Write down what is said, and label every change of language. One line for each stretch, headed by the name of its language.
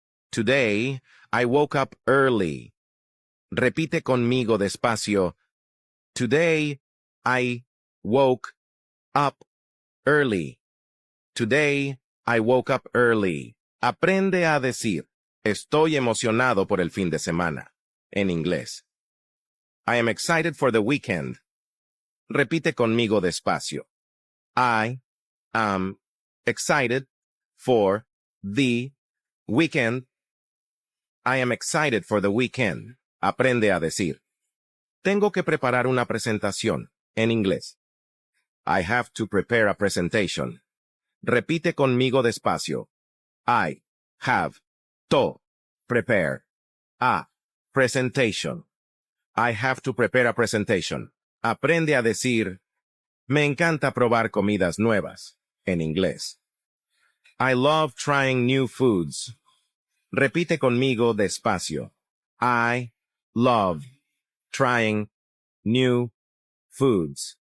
English: Today, I woke up early.
Spanish: Repite conmigo despacio.
English: Today, I woke up early. Today, I woke up early.
Spanish: Aprende a decir, estoy emocionado por el fin de semana. En inglés.
English: I am excited for the weekend.
Spanish: Repite conmigo despacio.
English: I am excited for the weekend. I am excited for the weekend.
Spanish: Aprende a decir. Tengo que preparar una presentación. En inglés.
English: I have to prepare a presentation.
Spanish: Repite conmigo despacio.
English: I have to prepare a presentation. I have to prepare a presentation.
Spanish: Aprende a decir, me encanta probar comidas nuevas. En inglés.
English: I love trying new foods.
Spanish: Repite conmigo despacio.
English: I love trying new foods.